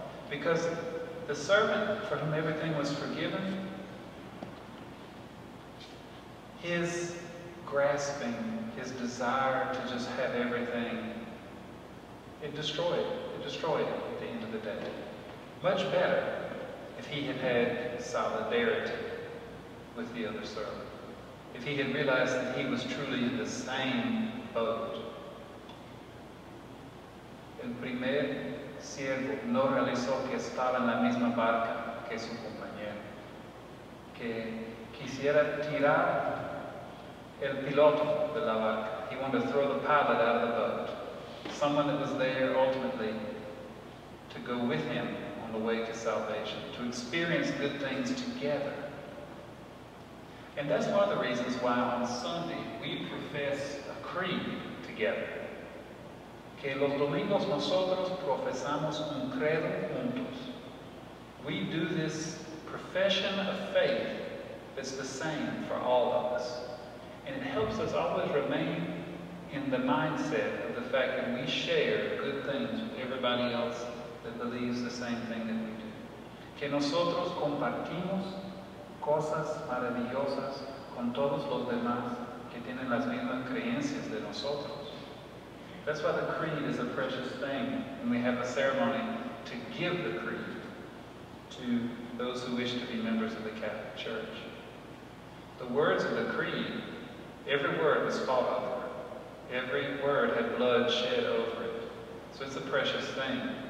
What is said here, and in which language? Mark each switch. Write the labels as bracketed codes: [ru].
[en] Because the servant for whom everything was forgiven, his grasping, his desire to just have everything, it destroyed him at the end of the day. Much better if he had had solidarity with the other servant. If he had realized that he was truly in the same boat. [es] El primer siervo no realizó que estaba en la misma barca que su compañero. Que quisiera tirar el piloto de la barca. [en] He wanted to throw the pilot out of the boat. Someone that was there ultimately to go with him on the way to salvation. To experience good things together. And that's one of the reasons why on Sunday we profess a creed together. [es] Que los domingos nosotros profesamos un credo juntos. [en] We do this profession of faith that's the same for all of us. And it helps us always remain in the mindset of the fact that we share good things with everybody else that believes the same thing that we do. [es] Que nosotros compartimos cosas maravillosas con todos los demás que tienen las mismas creencias de nosotros. [en] That's why the creed is a precious thing, and we have a ceremony to give the creed to those who wish to be members of the Catholic Church. The words of the creed, every word was fought over. Every word had blood shed over it. So it's a precious thing.